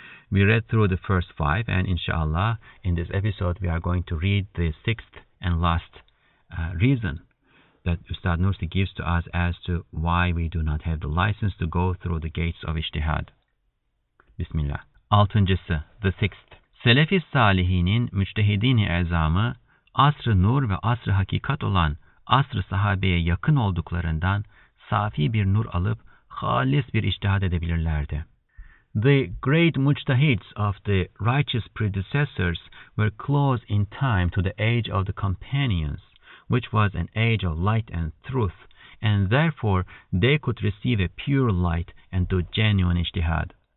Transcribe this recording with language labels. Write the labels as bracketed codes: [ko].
[en] We read through the first five, and inshallah, in this episode, we are going to read the sixth and last reason that Ustad Nursi gives to us as to why we do not have the license to go through the gates of ijtihad. Bismillah. Altıncısı, the sixth. [tr] Selefi salihinin müçtehidini ezamı, asr-ı nur ve asr-ı hakikat olan asr-ı sahabeye yakın olduklarından safi bir nur alıp halis bir ijtihad edebilirlerdi. [en] The great mujtahids of the righteous predecessors were close in time to the age of the companions, which was an age of light and truth, and therefore they could receive a pure light and do genuine ijtihad.